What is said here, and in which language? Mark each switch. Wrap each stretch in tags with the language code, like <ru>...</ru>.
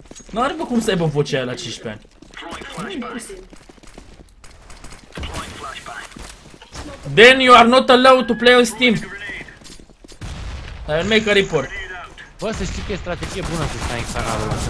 <ro>Nu are bă cum să aibă vocea la 15 ani.</ro> <en>Then you are not allowed to play on Steam. I'll make a report.</en> <ro>Bă, să știi că e strategie bună să stai în canalul ăsta.</ro>